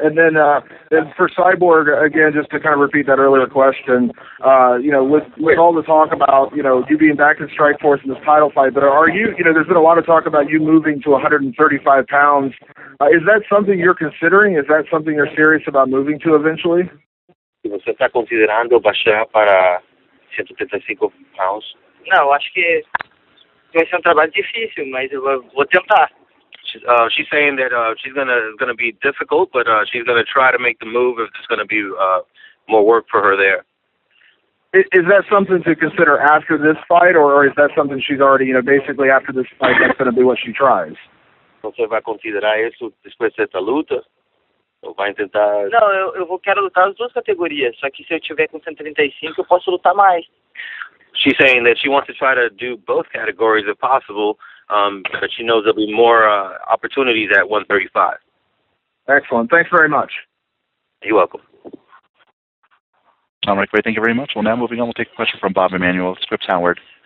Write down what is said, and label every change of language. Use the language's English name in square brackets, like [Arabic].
[English] And then for Cyborg, again, just to kind of repeat that earlier question, with all the talk about, you being back in Strikeforce in this title fight, but are you, there's been a lot of talk about you moving to 135 pounds. Is that something you're considering? Is that something you're serious about moving to eventually? [Portuguese] Se você está considerando baixar para 135 pounds? Não, acho que vai ser trabalho difícil, mas eu vou tentar. [English] She's saying that she's gonna be difficult, but she's gonna try to make the move if there's gonna be more work for her there. Is that something to consider after this fight, or is that something she's already, basically after this fight, that's gonna be what she tries? [Portuguese] Você vai considerar isso depois dessa luta? Ou vai tentar? Não, eu vou quero lutar as duas categorias. Só que se eu tiver com 135, eu posso lutar mais. [English] She's saying that she wants to try to do both categories if possible. But she knows there'll be more opportunities at 135. Excellent. Thanks very much. You're welcome. All right, great. Thank you very much. Well, now moving on, we'll take a question from Bob Emanuel, Scripps Howard.